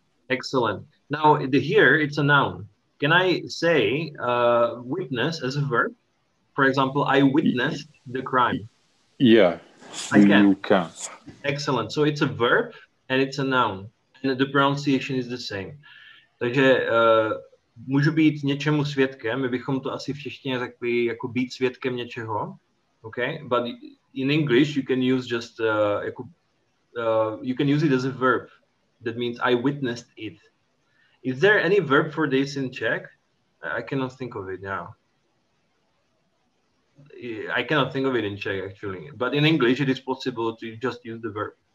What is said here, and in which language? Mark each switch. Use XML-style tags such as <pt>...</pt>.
<en>Excellent. Now, here it's a noun. Can I say witness as a verb? For example, I witnessed the crime. Yeah, you can. Excellent. So it's a verb and it's a noun. And the pronunciation is the same.</en> <cs>Takže můžu být něčemu svědkem. My bychom to asi v češtině řekli jako být svědkem něčeho.</cs> <en>Okay, but in English, you can use just, you can use it as a verb. That means I witnessed it. Is there any verb for this in Czech? I cannot think of it now. I cannot think of it in Czech, actually. But in English, it is possible to just use the verb.</en>